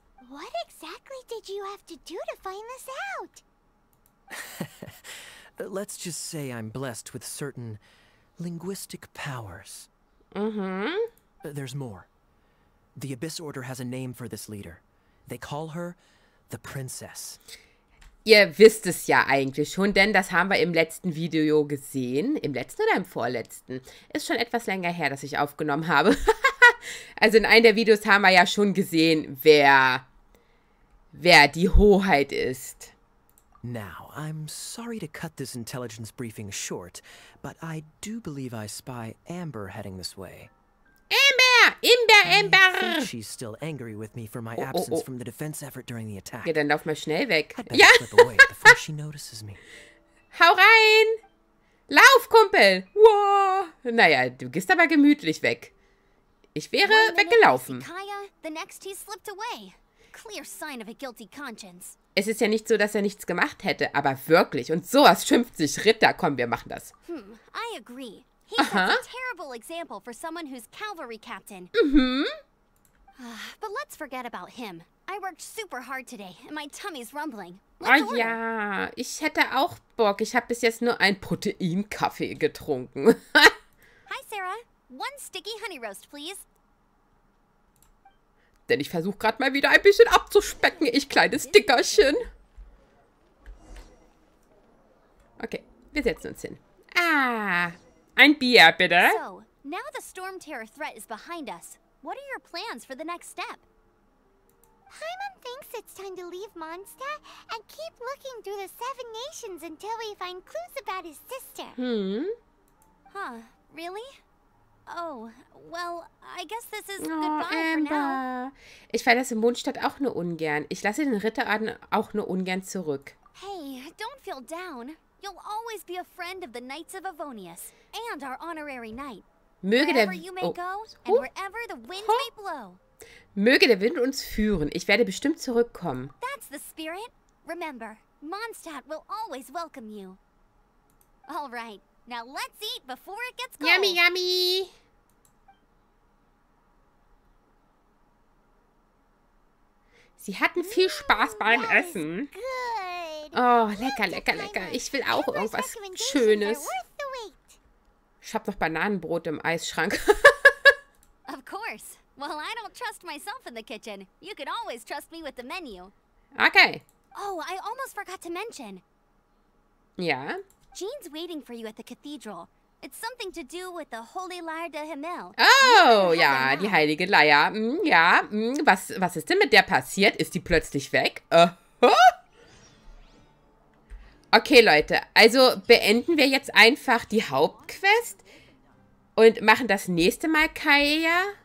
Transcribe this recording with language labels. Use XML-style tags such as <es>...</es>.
<en>What exactly did you have to do to find this out? Let's just say I'm blessed with certain linguistic powers. Mm-hmm. There's more. The Abyss Order has a name for this leader. They call her the Princess.</en> <de>Ihr wisst es ja eigentlich schon, denn das haben wir im letzten Video gesehen. Im letzten oder im vorletzten? Ist schon etwas länger her, dass ich aufgenommen habe. Also in einem der Videos haben wir ja schon gesehen, wer die Hoheit ist.</de> <en>Now, I'm sorry to cut this intelligence briefing short, but I do believe I spy Amber heading this way. Amber! I think she's still angry with me for my absence from the defense effort during the attack.</en> <de>Ja, dann lauf mal schnell weg.</de> <en>I'd better slip away before she notices me.</en> <de>Hau rein! Lauf, Kumpel! Wow. Naja, du gehst aber gemütlich weg. Ich wäre weggelaufen.</de> <en>The next he slipped away. Clear sign of a guilty conscience.</en> <de>Es ist ja nicht so, dass er nichts gemacht hätte, aber wirklich. Und sowas schimpft sich Ritter. Komm, wir machen das.</de> <en>I agree. He's a terrible example for someone who's cavalry captain. Mm-hmm. But let's forget about him. I worked super hard today and my tummy's rumbling.</en> <de>Ah ja, ich hätte auch Bock. Ich habe bis jetzt nur einen Proteinkaffee getrunken.</de> <en>Hi Sarah, one sticky honey roast, please.</en> <de>Denn ich versuche gerade mal wieder ein bisschen abzuspecken, ich kleines Dickerchen. Okay, wir setzen uns hin. Ah, ein Bier, bitte.</de> <en>So, now the Storm Terror threat is behind us. What are your plans for the next step? Paimon thinks it's time to leave Mondstadt and keep looking through the Seven Nations until we find clues about his sister. Hmm? Huh, really? Oh, well, I guess this is goodbye Amber. For now.</en> <de>Ich verlasse im Mondstadt auch nur ungern. Ich lasse den Ritterorden auch nur ungern zurück.</de> <en>Hey, don't feel down. You'll always be a friend of the Knights of Avonius and our honorary knight.</en> <de>Möge</de> <en>wherever</en> <de>der</de> <en>you may go and wherever the wind may blow.</en> <de>Möge der Wind uns führen. Ich werde bestimmt zurückkommen.</de> <en>That's the spirit. Remember, Mondstadt will always welcome you. All right. Now let's eat before it gets cold. Yummy, yummy.</en> <de>Sie hatten viel Spaß beim Essen.</de> <en>Good.</en> <de>Oh, lecker, lecker, lecker. Ich will auch irgendwas Schönes. Ich habe noch Bananenbrot im Eisschrank.</de> <en>Of course. Well, I don't trust myself in the kitchen. You can always trust me with the menu. Okay. Oh, I almost forgot to mention.</en> <de>Ja.</de> <en>Jean's waiting for you at the cathedral. It's something to do with the Holy Lyre de Himmel.</en> <de>Oh, ja, die heilige Leier. Mm, ja, was ist denn mit der passiert? Ist die plötzlich weg? Okay, Leute, also beenden wir jetzt einfach die Hauptquest und machen das nächste Mal Kaya.</de>